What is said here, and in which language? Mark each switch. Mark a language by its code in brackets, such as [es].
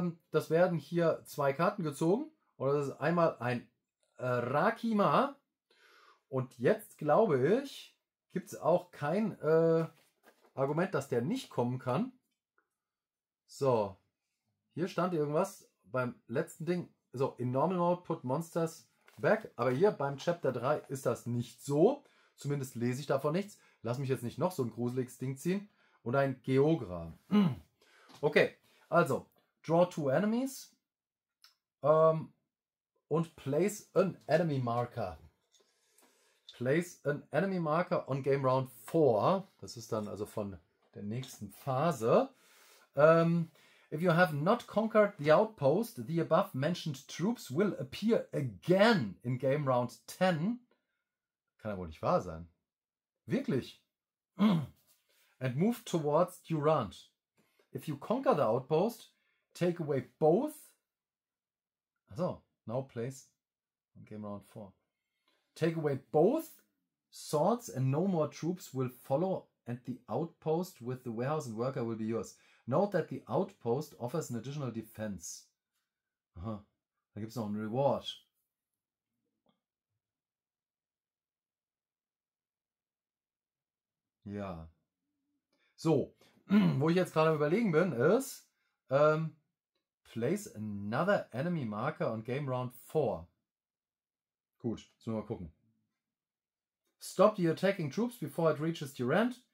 [de] Das werden hier zwei Karten gezogen. Und das ist einmal ein Rakima. Und jetzt, glaube ich, gibt es auch kein Argument, dass der nicht kommen kann. So. Hier stand irgendwas beim letzten Ding. [en] So, in Normal Mode put Monsters back. [de] Aber hier beim Chapter 3 ist das nicht so. Zumindest lese ich davon nichts. Lass mich jetzt nicht noch so ein gruseliges Ding ziehen. Und ein Geogra. Okay, also. [en] Draw 2 Enemies. Und place an Enemy Marker. Place an Enemy Marker on Game Round 4. [de] Das ist dann also von der nächsten Phase. [en] If you have not conquered the outpost, the above mentioned troops will appear again in Game Round 10. [de] Kann ja wohl nicht wahr sein. Wirklich? [en] And move towards Durant. If you conquer the outpost, take away both. [de] Achso. [en] Now place on Game Round 4. Take away both swords and no more troops will follow and the outpost with the warehouse and worker will be yours. Note that the outpost offers an additional defense. Aha. [de] Da gibt es noch einen Reward. Ja. So. Wo ich jetzt gerade am Überlegen bin, ist... [en] place another enemy marker on Game Round 4. [de] Gut, jetzt müssen wir mal gucken. [en] Stop the attacking troops before it reaches your end.